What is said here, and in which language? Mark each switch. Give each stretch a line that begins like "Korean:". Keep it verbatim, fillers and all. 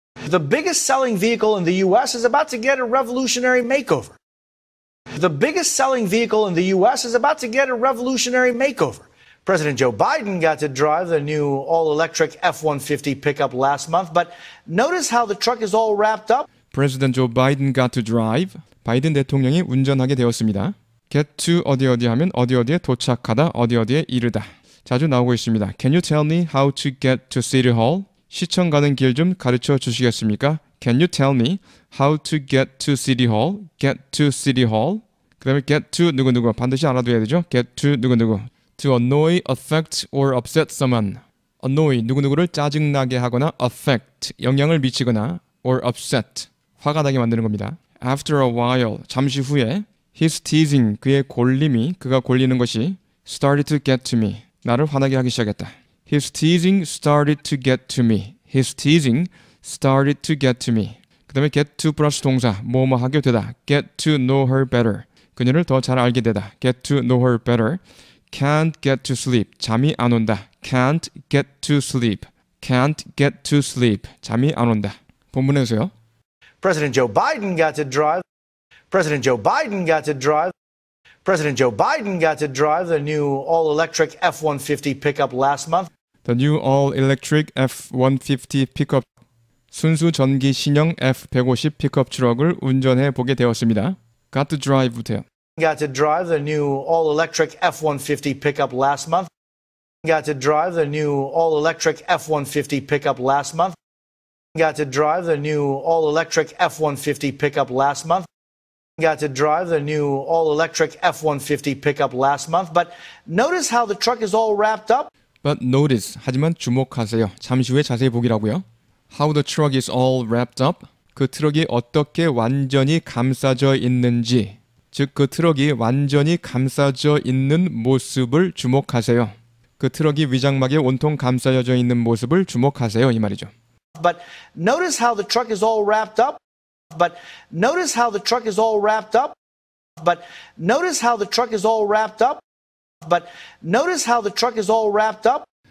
English: The biggest selling vehicle in the U S is about to get a revolutionary makeover. The biggest selling vehicle in the U S is about to get a revolutionary makeover. President Joe Biden got to drive the new all-electric F one fifty pickup last month, but notice how the truck is all wrapped up. President Joe Biden got to drive.
Korean: 바이든 대통령이 운전하게 되었습니다. Get to 어디 어디 하면 어디 어디에 도착하다, 어디 어디에 이르다. 자주 나오고 있습니다.
English: Can you tell me how to get to City Hall?
Korean: 시청 가는 길 좀 가르쳐 주시겠습니까?
English: Can you tell me how to get to City Hall? Get to City Hall.
Korean: 그 다음에 get to 누구누구. 반드시 알아둬야 되죠. Get to 누구누구.
English: To annoy, affect, or upset someone.
Korean: annoy, 누구누구를 짜증나게 하거나 affect, 영향을 미치거나 or upset, 화가 나게 만드는 겁니다.
English: After a while,
Korean: 잠시 후에
English: his teasing,
Korean: 그의 골림이, 그가 골리는 것이
English: started to get to me,
Korean: 나를 화나게 하기 시작했다.
English: His teasing started to get to me. His teasing started to get to me.
Korean: 그 다음에 get to 플러스 동사, 뭐뭐 하게 되다.
English: Get to know her better.
Korean: 그녀를 더 잘 알게 되다.
English: Get to know her better. Can't get to sleep.
Korean: 잠이 안 온다.
English: Can't get to sleep. Can't get to sleep.
Korean: 잠이 안 온다. 본문에서요.
English: President Joe Biden got to drive. President Joe Biden got to drive. President Joe Biden got to drive the new all-electric F one fifty pickup last month. The new all-electric F one fifty pickup.
Korean: 순수 전기 신형 에프 백오십 픽업 트럭을 운전해 보게 되었습니다.
English: Got to drive부터요. Got to drive the new all-electric F one fifty pickup last month. Got to drive the new all-electric F one fifty pickup last month. Got to drive the new all-electric F one fifty pickup last month. Got to drive the new all-electric F one fifty pickup last month. But notice how the truck is all wrapped up. But notice,
Korean: 하지만 주목하세요. 잠시 후에 자세히 보기라고요.
English: How the truck is all wrapped up.
Korean: 그 트럭이 어떻게 완전히 감싸져 있는지. 즉 그 트럭이 완전히 감싸져 있는 모습을 주목하세요. 그 트럭이 위장막에 온통 감싸여져 있는 모습을 주목하세요. 이 말이죠.
English: But notice how the truck is all wrapped up. But notice how the truck is all wrapped up. But notice how the truck is all wrapped up. But notice how the truck is all wrapped up.